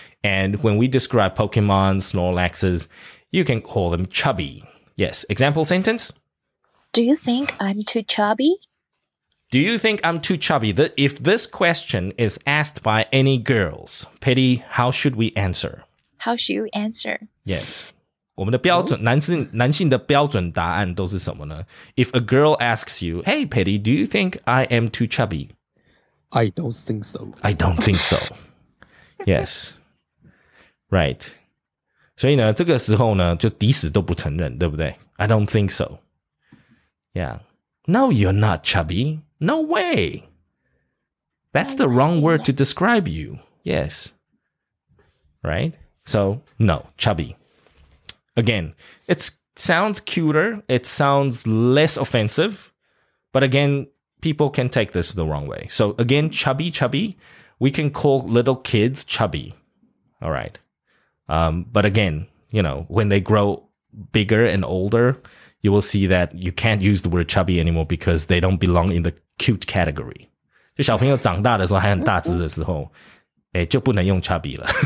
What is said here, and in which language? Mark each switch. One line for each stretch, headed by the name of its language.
English: And when we describe Pokemon, Snorlaxes, you can call them chubby. Yes, example sentence. Do you think I'm too chubby? Do you think I'm too chubby? If this question is asked by any girls, Petty, how should we answer? How should you answer? Yes.
Chinese: 我们的标准、男性的标准答案都是什么呢?
English: If a girl asks you, Hey, Petty, do you think I am too chubby? I don't think so. I don't think so. Yes. Right.
Chinese: 所以呢这个时候呢就抵死都不承认对不对
English: I don't think so. Yeah. No, you're not chubby. No way. That's the wrong word to describe you. Yes. Right. So, no, chubby. Again, it sounds cuter. It sounds less offensive. But again... People can take this the wrong way. So again, chubby, chubby. We can call little kids chubby. All right. But again, you know, when they grow bigger and older, you will see that you can't use the word chubby anymore because they don't belong in the cute category.
Chinese: 就小朋友长大的时候还很大只的时候、欸、就不能用 chubby 了。